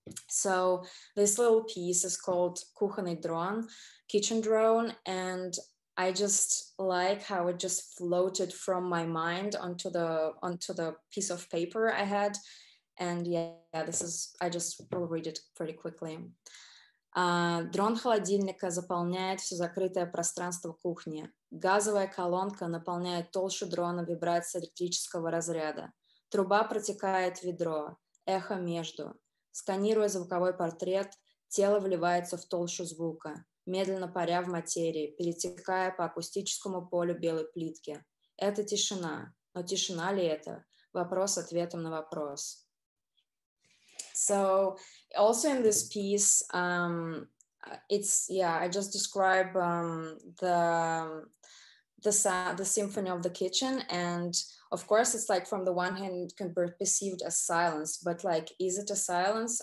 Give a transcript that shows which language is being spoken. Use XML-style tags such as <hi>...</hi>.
<en>So this little piece is called Kuchenny Dron, Kitchen Drone, and I just like how it just floated from my mind onto the piece of paper I had. And yeah, this is, I just will read it pretty quickly.</en> <ru>Дрон холодильника заполняет все закрытое пространство кухни. Газовая колонка наполняет толщу дрона вибрацией электрического разряда. Труба протекает в ведро, эхо между. Сканируя звуковой портрет, тело вливается в толщу звука, медленно паря в материи, перетекая по акустическому полю белой плитки. Это тишина. Но тишина ли это? Вопрос ответом на вопрос.</ru> <en>So, also in this piece, it's, yeah, I just describe the symphony of the kitchen, and of course it's like from the one hand it can be perceived as silence, but like is it a silence?</en>